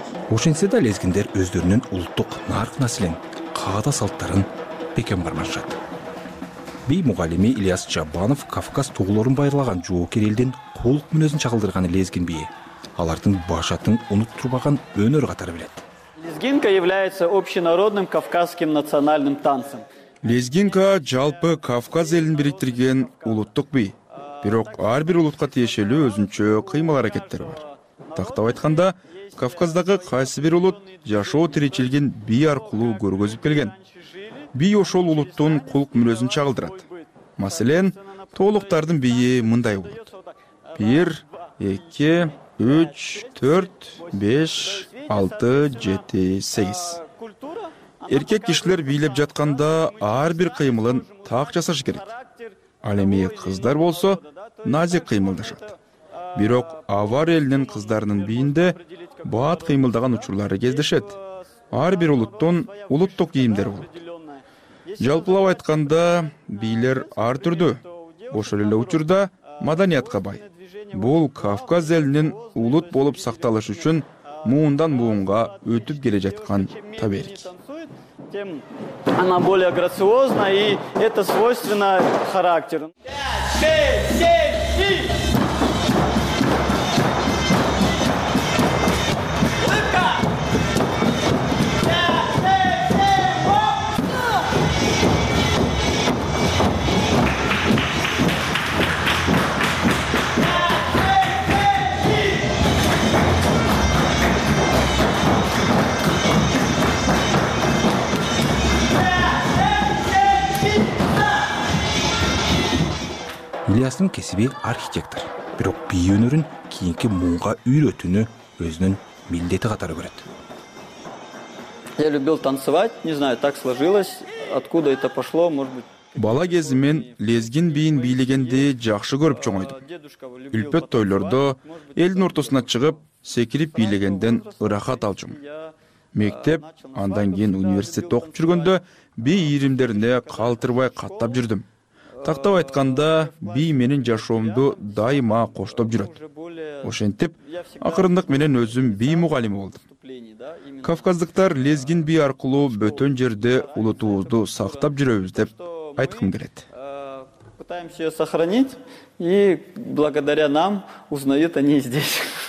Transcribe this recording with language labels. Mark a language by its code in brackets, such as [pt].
[ky] Ошентсе да лезгиндер өздөрүнүн улуттук нарк маселен, каада салттарын бекем барбашат. Бий мугалими Ильяс Жабанов Кавказ тууларын байырлаган жоокер элдин кулук мүнөзүн чагылдырган лезгин бийи. Алардын башатын унуттурбаган өнөр катары билет. [ru] Лезгинка является общенародным кавказским национальным танцем. [ky] Лезгинка жалпы Кавказ элин бириктирген улуттук бий. Бирок ар бир улутка тиешелүү өзүнчө кыймыл аракеттери бар. Тактап айтканда, Кавказдагы кайсы бир улут жашоо тиричилген бий аркылуу көргөзүп келген. Бий ошол улуттун кулук мүнөзүн чагылдырат. Маселен, тоолуктардын бийи мындай болот. 1, 2, 3, 4, 5, 6, 7, 8. Эркек кишилер бийлеп жатканда ар бир кыймылын так жасаш керек. Ал эми кыздар болсо назик кыймылдашат. Бирок авар элинин кыздарынын бийинде баат кыймылдаган учурлары кездешет. Ар бир улуттун улуттук кийимдери болот. Жалпылап айтканда, бийлер ар түрдүү. Ошол эле учурда маданиятка бай. Бул Кавказ элинин улут болуп сакталышы үчүн муундан муунга өтүп келе жаткан таберик. [ru] Тем она более грациозна и это свойственно характеру. [ky] Ильястын кесиби архитектор, бирок бий өнөрүн кийинки муунга үйрөтүүнү өзүнүн милдети катары көрөт. [ru] Я любил танцевать, не знаю, так сложилось, откуда это пошло, может быть. [ky] Бала кезимен лезгин бийин бийлегенди жакшы көрүп чоңойдум. Үлпөт тойлордо элдин ортосуна чыгып, секирип бийлегенден ырахат алчумун. Мектеп, андан кийин университетте окуп жүргөндө бий ийримдерине калтырбай каттап жүрдүм. Тактап айтканда, бий менин жашоомду дайыма коштоп жүрөт. Ошентип, акырындык менен өзүм бий мугалими болдум. Кавказдыктар лезгин бий аркылуу бөтөн жерде улутубузду сактап жүрөбүз деп айткым келет. [ru] Пытаемся её сохранить, и благодаря нам узнают они здесь.